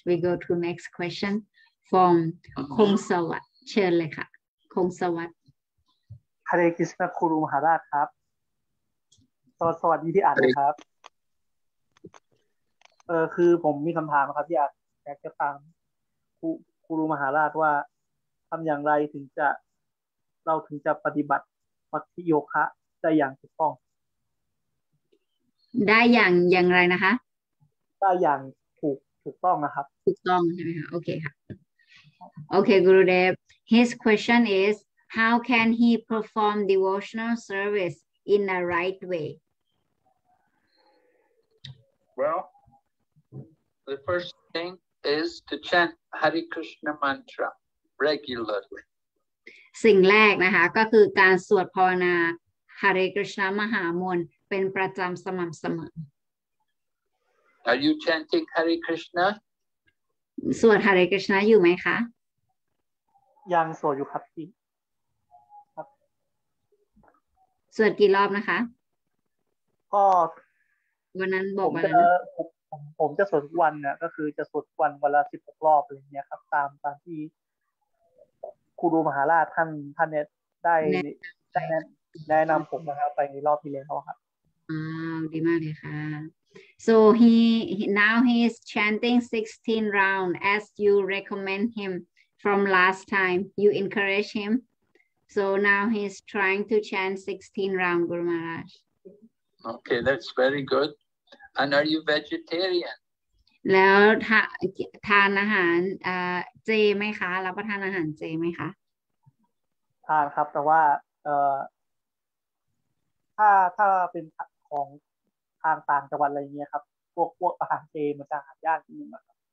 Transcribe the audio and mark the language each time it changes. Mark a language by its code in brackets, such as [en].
[en] We go to next question from Kong Sawat. [th] เชิญเลยค่ะ Kong Sawat. Hare Krishna Guru Maharaj ครับ สวัสดีที่อ่านครับคือผมมีคำถามครับอยากจะถามครูมหาราชว่าทำอย่างไรถึงจะปฏิบัติมัคคิโยคะได้อย่างถูกต้อง ได้อย่างไรนะคะ ได้อย่างถูกต้องนะครับ ถูกต้องใช่ไหมคะโอเคค่ะโอเค [en] Gurudev his question is how can he perform devotional service in a right way wellThe first thing is to chant Hare Krishna mantra regularly. [th] สิ่งแรกนะคะก็คือการสวดภาวนา Hare Krishna มหามนต์เป็นประจำสม่ำเสม [en] อ Are you chanting Hare Krishna? [th] สวด Hare Krishna อยู่ไหมคะ ยังสวดอยู่ครับพี่ครับ สวดกี่รอบนะคะ ก็วันนั้นบอกมาแล้ว ผมจะสวดวันเนี่ยก็คือจะสวดวันเวลา16รอบอะไรเงี้ยครับตามที่ครูมหาราชท่านเนี่ยได้แนะนำผมนะครับไปในรอบที่แล้วครับ ดีมากเลยค่ะ [en] so now he is chanting 16 round as you recommend him from last time you encourage him so now he is trying to chant 16 round Guru Maharaj okay that's very goodAnd are you vegetarian? [th] แล้วทานอาหารเจไหมคะรับประทานอาหารเจไหมคะ ทานครับแต่ว่าถ้าเป็นของทางต่างจังหวัดอะไรเงี้ยครับพวกอาหารเจมันจะหายากนิดนึงครับ